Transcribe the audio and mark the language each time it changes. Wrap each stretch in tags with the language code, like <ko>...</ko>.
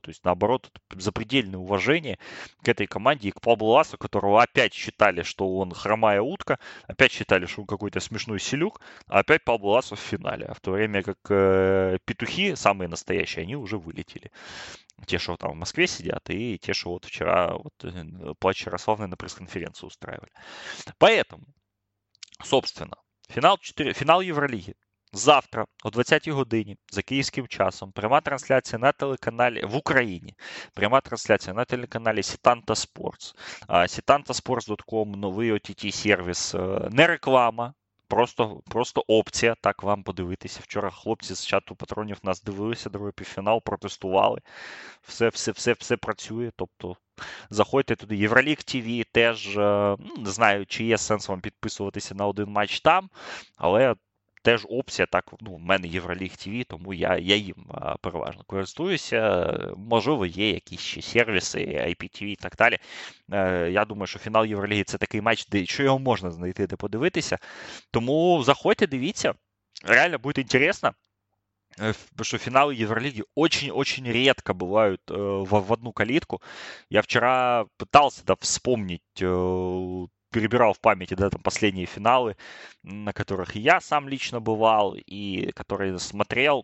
<ru>То есть, наоборот, запредельное уважение к этой команде и к Пабло Ласо, которого опять считали, что он хромая утка, опять считали, что он какой-то смешной селюк, а опять Пабло Ласо в финале. А в то время как петухи, самые настоящие, они уже вылетели. Те, что там в Москве сидят, и те, что вот вчера вот, плач Ярославный на пресс-конференцию устраивали. Поэтому, собственно, финал Евролиги.</ru> <uk>Завтра о 20-й годині за київським часом пряма трансляція на телеканалі в Україні. Пряма трансляція на телеканалі Сітанта Спортс. Сітанта Спортс.ком, новий OTT-сервіс. Не реклама, просто опція, так вам подивитися. Вчора хлопці з чату патронів нас дивилися, другий півфінал протестували. Все працює, тобто... Заходьте туди, Євролік ТВ теж, не знаю, чи є сенс вам підписуватися на один матч там, але теж опція, так, ну, в мене Євроліг ТВ, тому я їм переважно користуюся. Можливо, є якісь ще сервіси, IPTV і так далі. Я думаю, що фінал Євроліги – це такий матч, де що його можна знайти, де подивитися. Тому заходьте, дивіться. Реально буде інтересно.</uk> <ru>Потому что финалы Евролиги очень-очень редко бывают в одну калитку. Я вчера пытался, да, вспомнить... перебирал в памяти, да, там, последние финалы, на которых я сам лично бывал и которые смотрел.</ru>